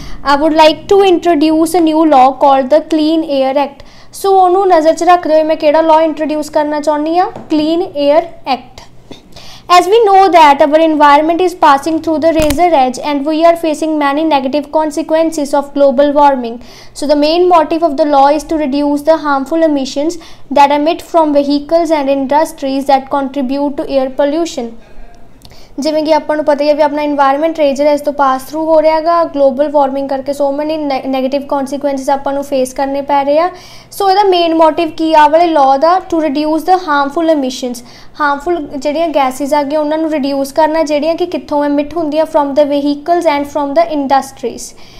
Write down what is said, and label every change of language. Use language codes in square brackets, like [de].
[en] I would like to introduce a new law called the clean air act so [pa] ਉਹਨੂੰ ਨਜ਼ਰ 'ਚ ਰੱਖਦੇ ਹੋਏ ਮੈਂ ਕਿਹੜਾ ਲਾਅ ਇੰਟਰੋਡਿਊਸ ਕਰਨਾ ਚਾਹੁੰਦੀ ਹਾਂ [en] Clean air act As we know that our environment is passing through the razor edge and we are facing many negative consequences of global warming. So the main motive of the law is to reduce the harmful emissions that emit from vehicles and industries that contribute to air pollution. [pa] ਜਿਵੇਂ ਕਿ ਆਪਾਂ ਨੂੰ ਪਤਾ ਹੀ ਆ ਵੀ ਆਪਣਾ environment razor ਇਸ ਤੋਂ ਪਾਸ through ਹੋ ਰਿਹਾ ਹੈਗਾ ਗਲੋਬਲ ਵਾਰਮਿੰਗ ਕਰਕੇ [en] so many negative consequences [pa] ਆਪਾਂ ਨੂੰ ਫੇਸ ਕਰਨੇ ਪੈ ਰਹੇ ਆ ਸੋ ਇਹਦਾ ਮੇਨ ਮੋਟਿਵ ਕੀ ਆ ਵਾਲੇ law ਦਾ [en] to reduce the harmful emissions [pa] harmful ਜਿਹੜੀਆਂ ਗੈਸਿਸ ਆ ਗਈਆਂ ਉਹਨਾਂ ਨੂੰ ਰਿਡਿਊਸ ਕਰਨਾ ਜਿਹੜੀਆਂ ਕਿ ਕਿੱਥੋਂ ਐਮਿਟ ਹੁੰਦੀਆਂ [en] from the vehicles and from the industries